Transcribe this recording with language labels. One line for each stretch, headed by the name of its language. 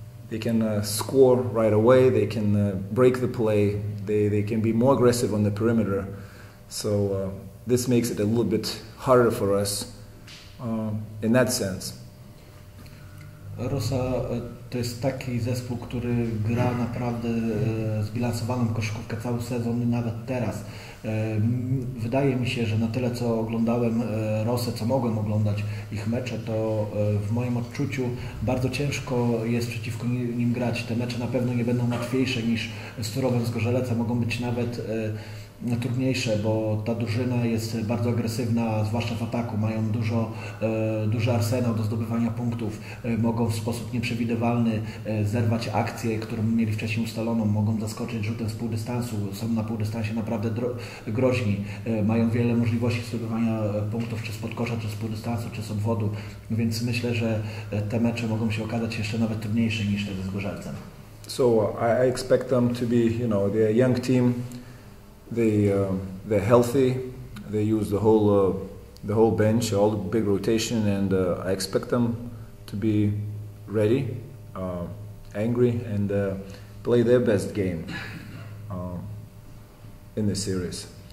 English: They can score right away. They can break the play. They can be more aggressive on the perimeter. So this makes it a little bit harder for us in that sense.
Polish: Rosa to jest taki zespół, który gra naprawdę zbilansowaną koszykówkę cały sezon i nawet teraz. Wydaje mi się, że na tyle co oglądałem Rosę, co mogłem oglądać ich mecze, to w moim odczuciu bardzo ciężko jest przeciwko nim grać. Te mecze na pewno nie będą łatwiejsze niż z Turowem z Gorzelecem, mogą być nawet trudniejsze, bo ta drużyna jest bardzo agresywna, zwłaszcza w ataku. Mają duży arsenał do zdobywania punktów. Mogą w sposób nieprzewidywalny zerwać akcję, którą mieli wcześniej ustaloną. Mogą zaskoczyć rzutem z półdystansu. Są na półdystansie naprawdę groźni. Mają wiele możliwości zdobywania punktów, czy z podkosza, czy z półdystansu, czy z obwodu. Więc myślę, że te mecze mogą się okazać jeszcze nawet trudniejsze niż te z Gorzelcem.
English: So I expect them to be, you know, the young team. They're healthy. They use the whole bench, all the big rotation, and I expect them to be ready, angry, and play their best game in this series.